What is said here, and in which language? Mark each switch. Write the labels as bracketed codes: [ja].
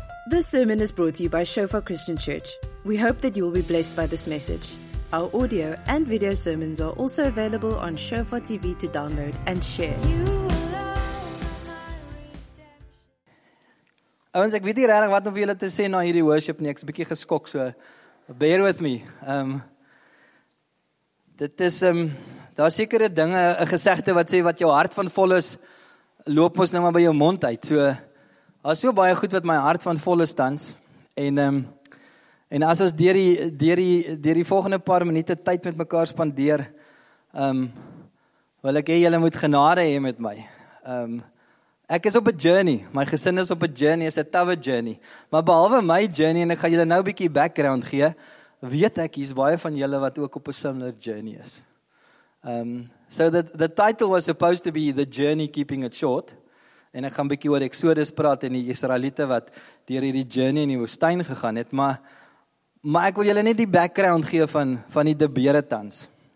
[en] This sermon is brought to you by Shofar Christian Church. We hope that you will be blessed by this message. Our audio and video sermons are also available on Shofar TV to download and share. [af] Ouens, ek weet nie regtig wat om vir julle te sê na hierdie worship nie. Ek is 'n bietjie geskok, so [en] bear with me. [af] Daar is sekere dinge, 'n gesegde wat sê wat jou hart van vol is, loop mos nou maar by jou mond uit. So daar is so baie goed wat my hart van vol is tans. En as ons deur die volgende paar minute tyd met mekaar spandeer, wil ek hê julle moet genade hê met my. Ek is op 'n journey. My gesin is op 'n journey, is 'n tough journey. Maar behalwe my journey, en ek gaan julle nou 'n bietjie background gee, weet ek hier's baie van julle wat ook op 'n similar journey is. [en] So the title was supposed to be The Journey Keeping It Short. [af] En ek gaan bietjie oor Exodus praat en die Israeliete wat deur hierdie journey in die woestyn gegaan het, maar ek wil julle net die background gee van die debere tans.